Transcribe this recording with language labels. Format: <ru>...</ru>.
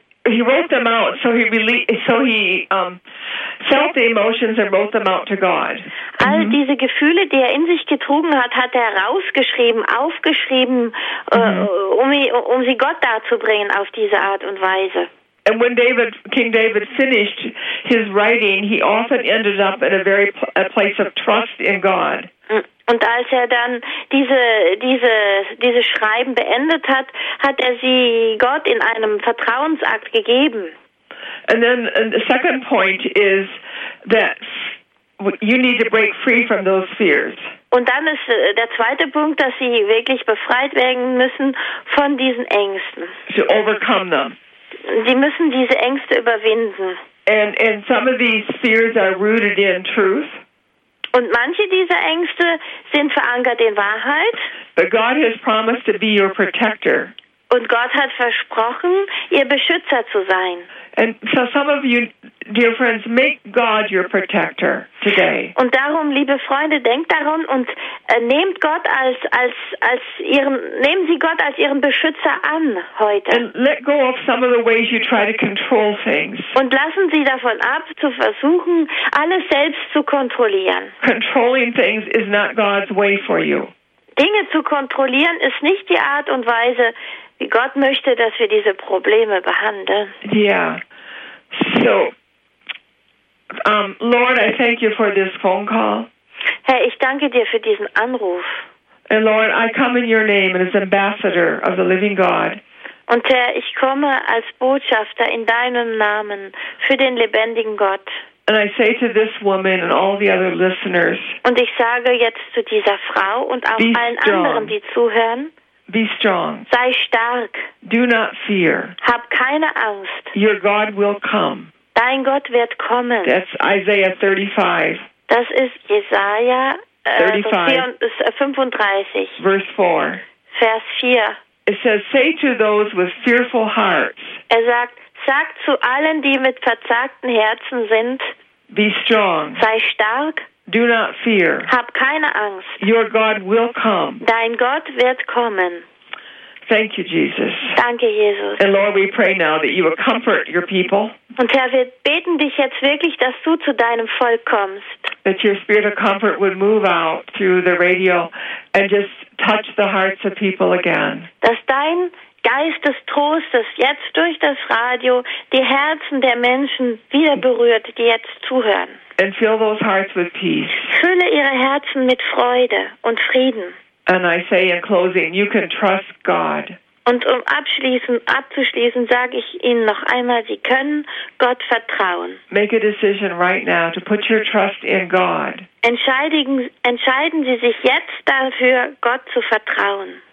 <en>He wrote them out, so he felt the emotions and wrote them out to God.</en> <de>All diese Gefühle, die er in sich getrogen hat, hat er rausgeschrieben, aufgeschrieben, um sie Gott darzubringen auf diese Art und Weise.</de> <en>And when King David finished his writing, he often ended up in a place of trust in God.</en> <de>Und als er dann diese Schreiben beendet hat, hat er sie Gott in einem Vertrauensakt gegeben.</de> <en>And then and the second point is that you need to break free from those fears.</en> <de>Und dann ist der zweite Punkt, dass sie wirklich befreit werden müssen von diesen Ängsten.</de> <en>To overcome them.</en> <de>Sie müssen diese Ängste überwinden.</de> <en>And some of these fears are rooted in truth.</en> <de>Und manche dieser Ängste sind verankert in Wahrheit.</de> <en>But God has promised to be your protector.</en> <de>Und Gott hat versprochen, ihr Beschützer zu sein.</de> <en>And so some of you, dear friends, make God your protector today.</en> <de>Und darum, liebe Freunde, denkt daran und nehmt Gott nehmen Sie Gott als Ihren Beschützer an heute.</de> <en>And let go of some of the ways you try to control things.</en> <de>Und lassen Sie davon ab, zu versuchen, alles selbst zu kontrollieren.</de> <en>Controlling things is not God's way for you.</en> <de>Dinge zu kontrollieren ist nicht die Art und Weise, wie Gott möchte, dass wir diese Probleme behandeln.</de> <en>Yeah. So, Lord, I thank you for this phone call.</en> <de>Herr, ich danke dir für diesen Anruf.</de> <en>And Lord, I come in your name as ambassador of the living God.</en> <de>Und Herr, ich komme als Botschafter in deinem Namen für den lebendigen Gott.</de> <en>And I say to this woman and all the other listeners.</en> <de>Und ich sage jetzt zu dieser Frau und auch allen anderen, die zuhören.</de> <en>Be strong.</en> <de>Sei stark.</de> <en>Do not fear.</en> <de>Hab keine Angst.</de> <en>Your God will come.</en> <de>Dein Gott wird kommen.</de> <en>That's Isaiah 35.</en> <de>Das ist Jesaja 35.</de> <en>Verse 4.</en> <de>Vers 4.</de> <en>It says, say to those with fearful hearts.</en> <de>Er sagt, sag zu allen, die mit verzagten Herzen sind.</de> <en>Be strong.</en> <de>Sei stark.</de> <en>Do not fear.</en> <de>Hab keine Angst.</de> <en>Your God will come.</en> <de>Dein Gott wird kommen.</de> <en>Thank you, Jesus.</en> <de>Danke, Jesus.</de> <en>And Lord, we pray now that you will comfort your people.</en> <de>Und Herr, wir beten dich jetzt wirklich, dass du zu deinem Volk kommst.</de> <en>That your spirit of comfort would move out through the radio and just touch the hearts of people again.</en> <de>Dass dein Geist des Trostes jetzt durch das Radio die Herzen der Menschen wieder berührt, die jetzt zuhören.</de> <en>And fill those hearts with peace.</en> <de>Fülle ihre Herzen mit Freude und Frieden.</de> <en>And I say in closing, you can trust God.</en> <de>Und abzuschließen, sage ich Ihnen noch einmal, Sie können Gott vertrauen.</de> <en>Make a decision right now to put your trust in God.</en> <de>Entscheiden Sie sich jetzt dafür, Gott zu vertrauen.</de>